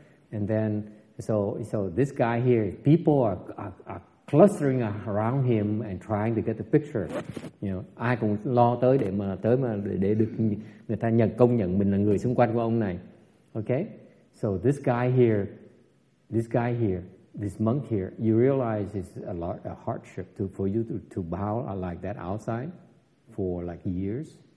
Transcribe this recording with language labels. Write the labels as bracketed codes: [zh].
[en] And then so this guy here, people are clustering around him and trying to get the picture. [vi] You know, ai cũng lo tới để được người ta nhận công nhận mình là người xung quanh của ông này. [en] Okay? So this guy here this monk here, you realize it's a hardship for you to bow like that outside for like years.